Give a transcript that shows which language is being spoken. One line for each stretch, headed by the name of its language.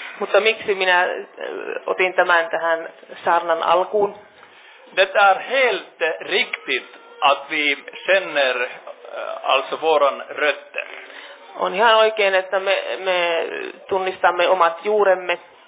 Finnish: Mutta miksi minä otin tämän tähän saarnan alkuun?
Swedish: Det är helt riktigt att vi känner alltså våran rötter.
Finnish: On ihan oikein, että me tunnistamme omat juuremme.